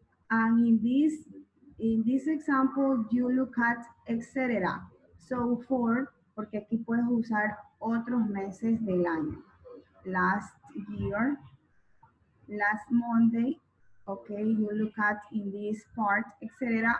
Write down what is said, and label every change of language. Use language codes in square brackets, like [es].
[en] And in this example, you look at etc. So for, [es] porque aquí puedes usar otros meses del año. [en] Last year, last Monday, okay, you look at in this part, etc.